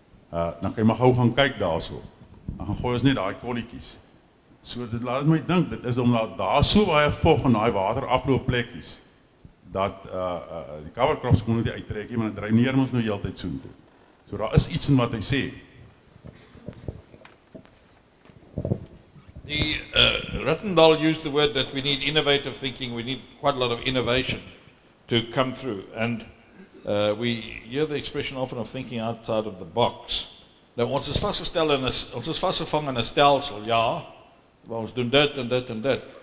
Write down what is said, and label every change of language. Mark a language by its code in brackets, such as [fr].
[af] Dan kan jy maar gauw gaan kyk daar so, dan gaan gooi ons net daai kolliekies. So dit laat my dink, dit is omdat daar so baie vog in daai water afloopplekkies, dat die cover crops kon nie uittrek, maar dit draineer ons nou die hele tyd soen toe. So daar is iets in wat hy sê. [en] Die Rittendal used the word that we need innovative thinking, we need quite a lot of innovation to come through, and we hear the expression often of thinking outside of the box. [af] Nou ons is vastgevang in 'n stelsel, ja, maar ons doen dit en dit en dit.